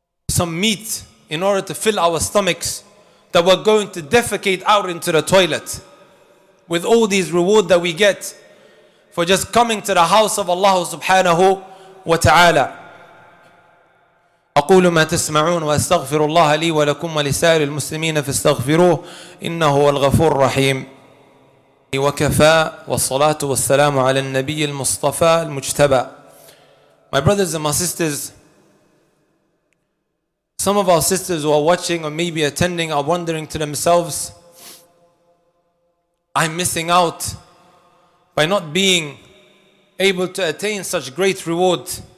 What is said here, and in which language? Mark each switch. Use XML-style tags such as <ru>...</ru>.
<en>Some meat in order to fill our stomachs that we're going to defecate out into the toilet, with all these rewards that we get for just coming to the house of Allah subhanahu wa ta'ala.</en> <ar>أقول ما تسمعون وأستغفر الله لي ولكم ولسائر المسلمين فاستغفروه إنه هو الغفور الرحيم. وكفى والصلاة والسلام على النبي المصطفى المجتبى.</ar> <en>My brothers and my sisters, some of our sisters who are watching or maybe attending are wondering to themselves, I'm missing out by not being able to attain such great reward.</en>